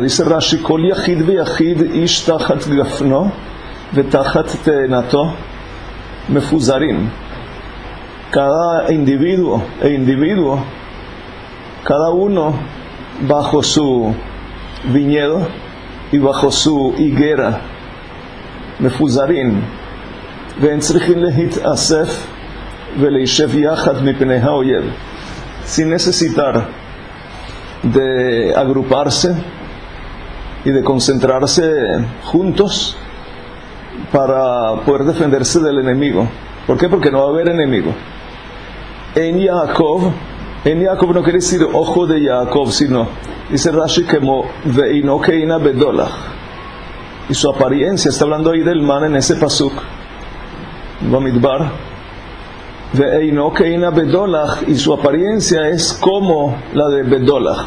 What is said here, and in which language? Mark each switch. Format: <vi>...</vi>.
<he>Dice Rashi, Kol Yachid Veyachid Ish Tachat Gafno ותחת תאנתו מפוזרים.</he> <es>Cada individuo e individuo, cada uno bajo su viñedo y bajo su higuera, מפוזרים.</es> <he>ואין צריכים להתאסף ולהישב יחד מפני האויב.</he> <es>Sin necesitar de agruparse y de concentrarse juntos para poder defenderse del enemigo. ¿Por qué? Porque no va a haber enemigo. En Yaakov no quiere decir ojo de Yaakov, sino dice Rashi que mo</es> <he>veino keina bedolah,</he> <es>y su apariencia, está hablando ahí del man en ese pasuk, Bamidbar, veino keina bedolah, y su apariencia es como la de bedolah.</es>